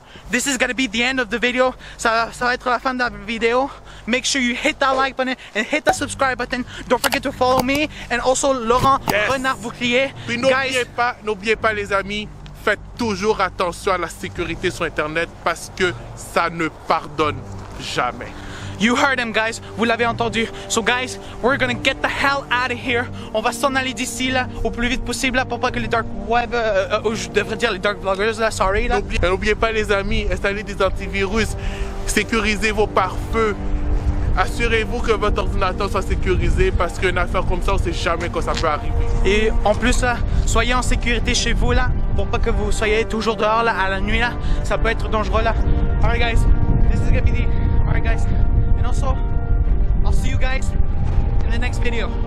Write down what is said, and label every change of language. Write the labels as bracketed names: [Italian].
[English] This is gonna be the end of the video. [French] Ça va être la fin de la vidéo. [English] Make sure you hit that like button and hit that subscribe button. Don't forget to follow me and also Laurent Renard Bouclier. [French] Puis n'oubliez pas les amis, faites toujours attention à la sécurité sur internet parce que ça ne pardonne jamais. [English] You heard him guys, [French] vous l'avez entendu. [English] So guys, we're gonna get the hell out of here. [French] On va s'en aller d'ici là, au plus vite possible là, pour pas que les dark web, je devrais dire les dark vloggers là, sorry là. N'oubliez pas les amis, installez des antivirus, sécurisez vos pare-feux. Assurez-vous que votre ordinateur soit sécurisé parce qu'une affaire comme ça, on sait jamais quand ça peut arriver. Et en plus, là, soyez en sécurité chez vous là, pour pas que vous soyez toujours dehors là, à la nuit là, ça peut être dangereux là. [English] Alright guys, this is Gabini. Alright guys. And also, I'll see you guys in the next video.